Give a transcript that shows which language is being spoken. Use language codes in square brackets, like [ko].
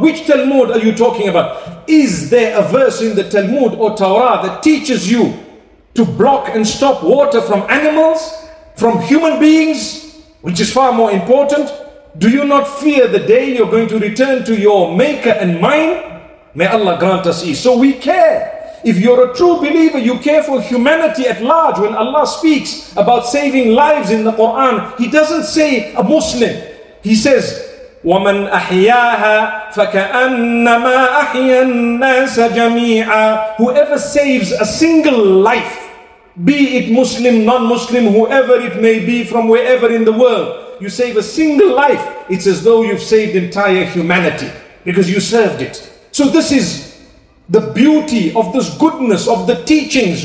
[en] Which Talmud are you talking about? Is there a verse in the Talmud or Torah that teaches you to block and stop water from animals, from human beings, which is far more important? Do you not fear the day you're going to return to your maker and mine? May Allah grant us ease. So we care. If you're a true believer, you care for humanity at large. When Allah speaks about saving lives in the Quran, He doesn't say a Muslim. He says, [ar] وَمَنْ أَحْيَاهَا فَكَأَنَّمَا أَحْيَا النَّاسَ جَمِيعًا. [en] Whoever saves a single life, be it Muslim, non-Muslim, whoever it may be, from wherever in the world, you save a single life, it's as though you've saved entire humanity, because you served it. So this is the beauty of this goodness, of the teachings.